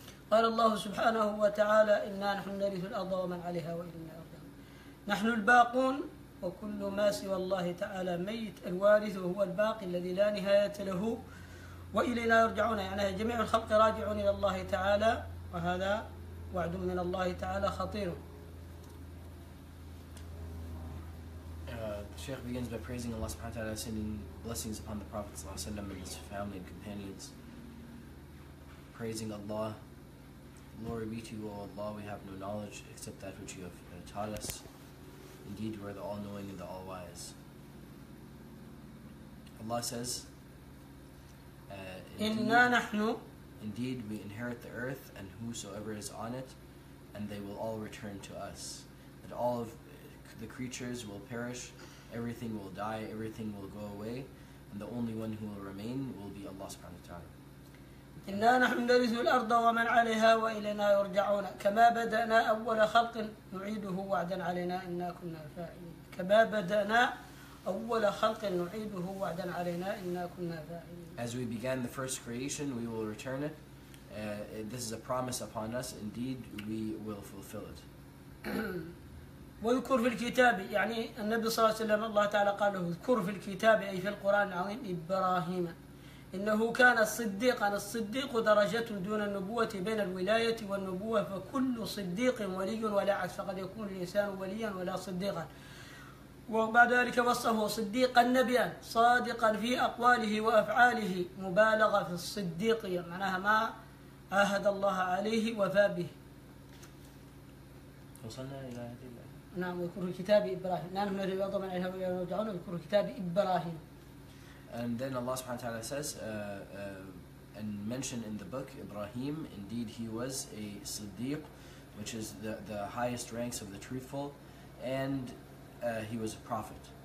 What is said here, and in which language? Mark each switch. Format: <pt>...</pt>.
<ar>قال الله سبحانه وتعالى إنا نحن نرث الأرض ومن عليها وإنا يرجعون نحن الباقون وكل ما سوى الله تعالى ميت الوارث وهو الباقي الذي لا نهاية له وإلينا يرجعون يعني جميع الخلق راجعون إلى الله تعالى وهذا وعد من الله تعالى خطير.</ar> <en>The Shaykh begins by praising Allah subhanahu wa ta'ala, sending blessings upon the Prophet sallallahu alaihi wasallam and his family and companions. Praising Allah, glory be to you, O Allah, we have no knowledge except that which you have taught us. Indeed, we are the all-knowing and the all-wise. Allah says, indeed, we inherit the earth and whosoever is on it, and they will all return to us. And all of the creatures will perish, everything will die, everything will go away, and the only one who will remain will be Allah subhanahu wa ta'ala.</en> <ar>إنا نحن نرث الأرض ومن عليها وإلينا يرجعون كما بدأنا أول خلق نعيده وعدا علينا إنا كنا فاعلين كما بدأنا أول خلق نعيده وعدا علينا إنا كنا فاعلين</ar> <en>As we began the first creation, we will return it. This is a promise upon us. Indeed, we will fulfill it.</en> <ar>وذكر في الكتاب يعني النبي صلى الله عليه وسلم الله تعالى قال له اذكر في الكتاب أي في القرآن العظيم إبراهيم إنه كان الصديق أنا الصديق درجة دون النبوة بين الولاية والنبوة فكل صديق ولي ولا عكس فقد يكون الإنسان وليا ولا صديقا وبعد ذلك وصفه صديقا نبيا صادقا في أقواله وأفعاله مبالغة في الصديق معناها ما عهد الله عليه وفى به وصلنا إلى نعم يذكر كتاب إبراهيم نعم من الرياض من عليها ويرجعون يذكر كتاب إبراهيم</ar> <en>And then Allah subhanahu wa ta'ala says, and mention in the book, Ibrahim, indeed he was a siddiq, which is the highest ranks of the truthful, and he was a prophet.</en>